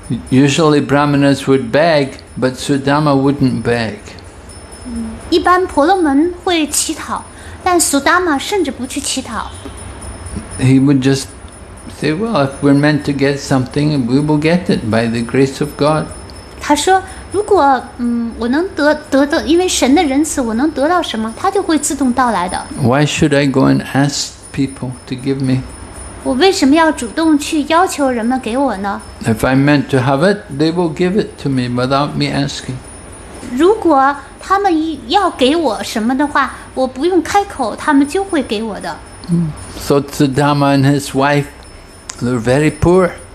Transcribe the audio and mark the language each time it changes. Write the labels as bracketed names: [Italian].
[English] Usually Brahmanas would beg, but Sudama wouldn't beg. [Chinese] 一般婆罗门会乞讨。但苏达玛甚至不去乞讨。 [English] He would just say, well, if we're meant to get something, we will get it by the grace of God. [Chinese] 他说,如果我能得到,因为神的仁慈,我能得到什么,他就会自动到来的。 [English] Why should I go and ask people to give me? [Chinese] 我为什么要主动去要求人们给我呢? [English] If I'm meant to have it, they will give it to me without me asking. [Chinese] 如果 他们要给我什么的话，我不用开口，他们就会给我的。 [English] So Sudama and his wife, they're very poor.